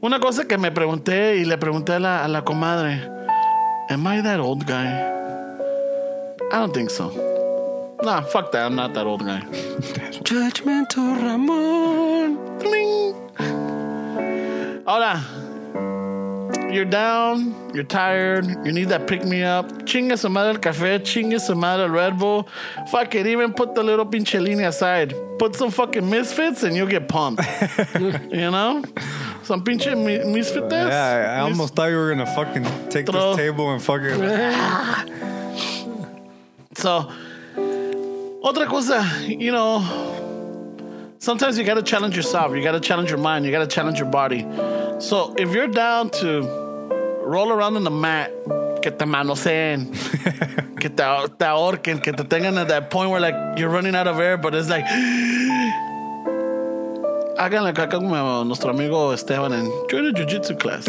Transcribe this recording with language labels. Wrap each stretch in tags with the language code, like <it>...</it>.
<es>Una cosa que me pregunté y le pregunté a la comadre.</es> <en>Am I that old guy? I don't think so. Nah, fuck that. I'm not that old guy. Judgmental Ramon. Ding. Hola. You're down. You're tired. You need that pick-me-up.</en> <es>Chinga su madre el café. Chinga su madre el Red Bull.</es> <en>Fuck it. Even put the little pinchelini aside. Put some fucking Misfits and you'll get pumped. You know? Some pinche Misfits? Yeah, I almost thought you were going to fucking take this table and fucking... So,</en> <es>otra cosa,</es> <en>you know, sometimes you got to challenge yourself. You got to challenge your mind. You got to challenge your body. So, if you're down to roll around on the mat,</en> <es>que te manoseen, que te ahorquen, que te tengan</es> <en>at that point where, like, you're running out of air, but it's like...</en> <es>Háganle caca como nuestro amigo Esteban en Jiu Jitsu class.</es>